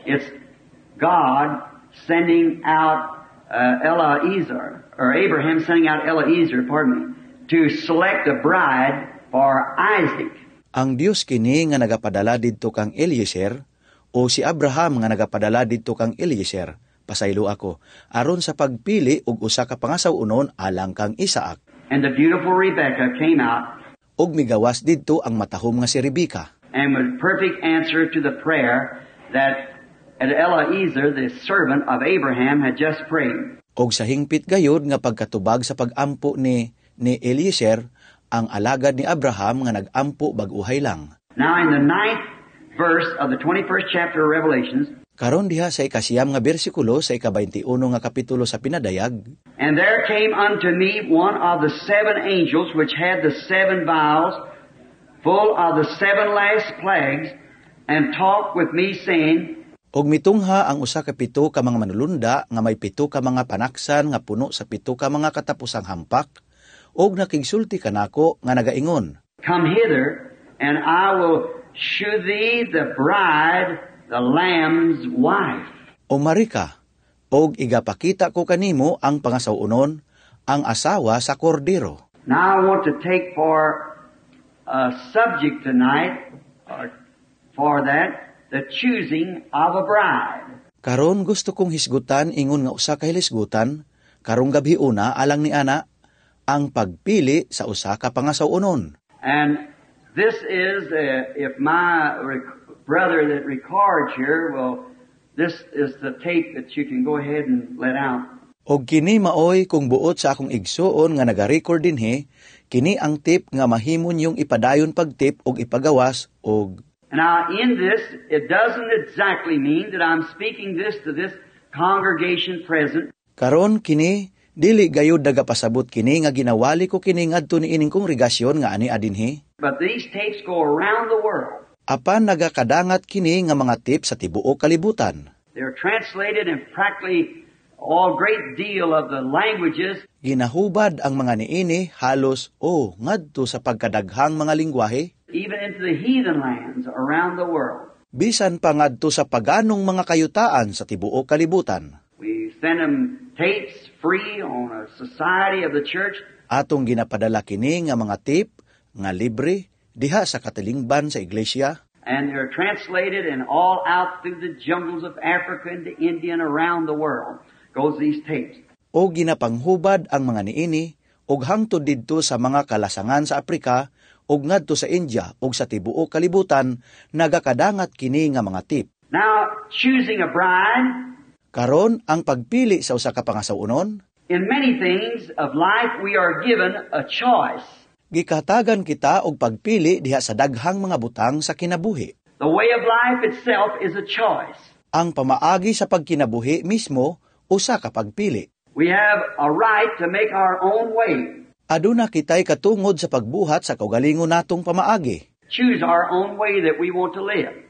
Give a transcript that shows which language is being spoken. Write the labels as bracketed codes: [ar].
[en] It's God sending out Eliezer, or Abraham sending out Eliezer, pardon me, to select a bride for Isaac. [ceb] Ang Dios kini nga nagapadala didto kang Eliezer o si Abraham nga nagapadala didto kang Eliezer, pasaylo ako, aron sa pagpili og usa ka pangasaw-unon alang kang Isaac. [en] And the beautiful Rebecca came out. [ceb] Og migawas didto ang matahom nga si Rebecca. [en] And with perfect answer to the prayer that Eliezer, the servant of Abraham, had just prayed. [ceb] Og sa hingpit gayod nga pagkatubag sa pag-ampo ni Eliezer, ang alagad ni Abraham nga nag-ampo bag-uhay lang. [en] Now in the 9th verse of the 21st chapter of Revelations, [ceb] karon diha sa ika-9 nga bersikulo sa ika-21 nga kapitulo sa pinadayag, [en] and there came unto me one of the seven angels which had the seven vials full of the seven last plagues and talked with me saying, [ceb] og mitungha ang usa ka pito ka mga manulunda nga may pito ka mga panaksan nga puno sa pito ka mga katapusang hampak, og nakigsulti kanako nga nagaingon, [en] come hither and I will shew thee the bride, the lamb's wife. [ceb] O marika, og igapakita ko kanimo ang pangasaw-unon, ang asawa sa kordero. [en] Now I want to take for a subject tonight, or for that, the choosing of a bride. [ceb] Karon gusto kong hisgutan ingon nga usa ka hilisgutan karong gabi una alang ni ana, ang pagpili sa usa ka pangasaw-unon. [en] And this is, if my brother that records here, well, this is the tape that you can go ahead and let out. [ceb] Og kini maoy kung buot sa akong igsuon nga nag-record din he, kini ang tape nga mahimo ninyong ipadayon pag-tape og ipagawas og. [en] Now, in this, it doesn't exactly mean that I'm speaking this to this congregation present. [ceb] Karon kini, dili gayud nagapasabot kini nga ginawali ko kini ngadto ni ining kongregasyon nga ani adinhi. [en] But these tapes go around the world. [ceb] Apan nagakadangat kini nga mga tape sa tibuok kalibutan. [en] They are translated and practically all great deal of the languages. [ceb] Ginahubad ang mga niini halos ngadto sa pagkadaghang mga lingwahe. [en] Even into the heathen lands around the world. [ceb] Bisan pa ngadto sa paganong mga kayutaan sa tibuok kalibutan. [en] We send them tapes free on a society of the church. [ceb] Atong ginapadala kini nga mga tape nga libre diha sa katilingban sa iglesia. [en] And they are translated and all out through the jungles of Africa and the India and around the world. Goes these tapes. [ceb] O ginapanghubad ang mga niini og hangtod didto sa mga kalasangan sa Afrika og ngadto sa India og sa tibuok kalibutan nagakadangat kini nga mga tip. [en] Now choosing a bride. [ceb] Karon ang pagpili sa usa ka pangasaunon. [en] In many things of life we are given a choice. [ceb] Gikatagan kita og pagpili diha sa daghang mga butang sa kinabuhi. [en] The way of life itself is a choice. [ceb] Ang pamaagi sa pagkinabuhi mismo usa ka pagpili. [en] We have a right to make our own way. [ceb] Aduna kita'y katungod sa pagbuhat sa kaugalingon natong pamaagi. [en] Choose our own way that we want to live.